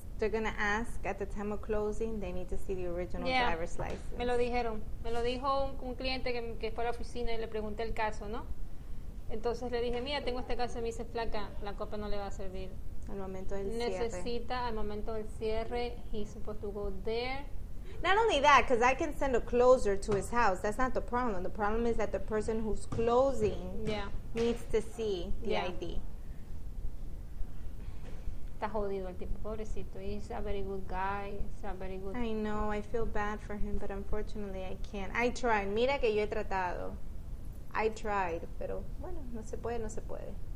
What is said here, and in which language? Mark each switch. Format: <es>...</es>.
<en>They're gonna ask at the time of closing. They need to see the original driver's license.</en> <es>Me lo dijeron. Me lo dijo un cliente que fue a la oficina y le pregunté el caso, ¿no? Entonces le dije, mira, tengo este caso, me dice, flaca, la copa no le va a servir. Al momento del necesita, cierre. Necesita, al momento del cierre,</es> <en>he's supposed to go there. Not only that, because I can send a closer to his house. That's not the problem. The problem is that the person who's closing needs to see the ID.</en> <es>Está jodido el tipo, pobrecito.</es> <en>He's a very good guy. He's a very good... I know, I feel bad for him, but unfortunately I can't. I tried.</en> <es>Mira que yo he tratado. I tried, pero bueno, no se puede.</es>